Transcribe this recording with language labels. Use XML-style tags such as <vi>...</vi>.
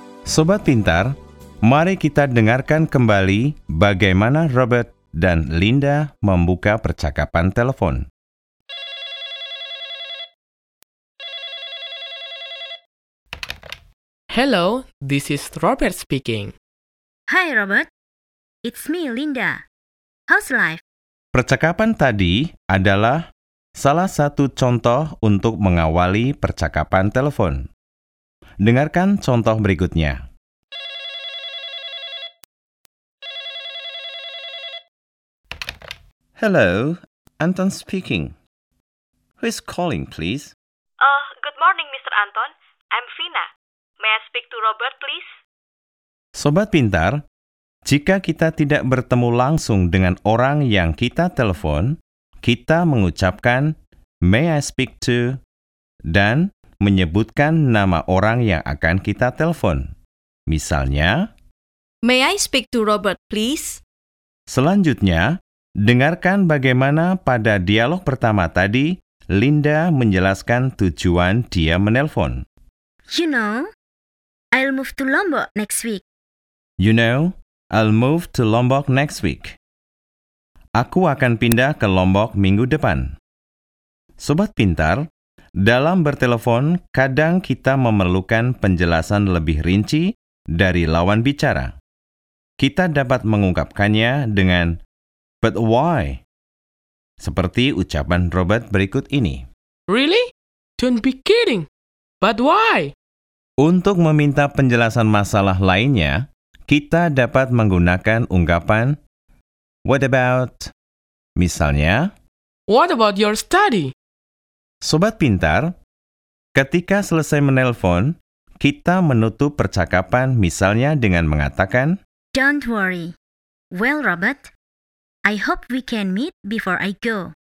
<id>Sobat pintar, mari kita dengarkan kembali bagaimana Robert dan Linda membuka percakapan telepon.</id> <en>Hello, this is Robert speaking. Hi, Robert. It's me, Linda. How's life?</en> <id>Percakapan tadi adalah salah satu contoh untuk mengawali percakapan telepon. Dengarkan contoh berikutnya.</id> <en>Hello, Anton speaking. Who is calling, please? Good morning, Mr. Anton. I'm Vina. May I speak to Robert, please?</en> <id>Sobat pintar, jika kita tidak bertemu langsung dengan orang yang kita telepon, kita mengucapkan</id> <en>"May I speak to?"</en> <id>dan menyebutkan nama orang yang akan kita telepon. Misalnya,</id> <en>"May I speak to Robert, please?"</en> <id>Selanjutnya, dengarkan bagaimana pada dialog pertama tadi, Linda menjelaskan tujuan dia menelpon.</id> <en>You know, I'll move to Lombok next week. You know, I'll move to Lombok next week.</en> <id>Aku akan pindah ke Lombok minggu depan. Sobat pintar, dalam bertelepon, kadang kita memerlukan penjelasan lebih rinci dari lawan bicara. Kita dapat mengungkapkannya dengan</id> <en>"But why?"</en> <id>Seperti ucapan Robert berikut ini.</id> <en>Really? Don't be kidding. But why?</en> <id>Untuk meminta penjelasan masalah lainnya, kita dapat menggunakan ungkapan</id> <en>What about,</en> <id>misalnya?</id> <en>What about your study?</en> <id>Sobat pintar, ketika selesai menelpon, kita menutup percakapan misalnya dengan mengatakan,</id> <en>Don't worry. Well, Robert, I hope we can meet before I go.</en>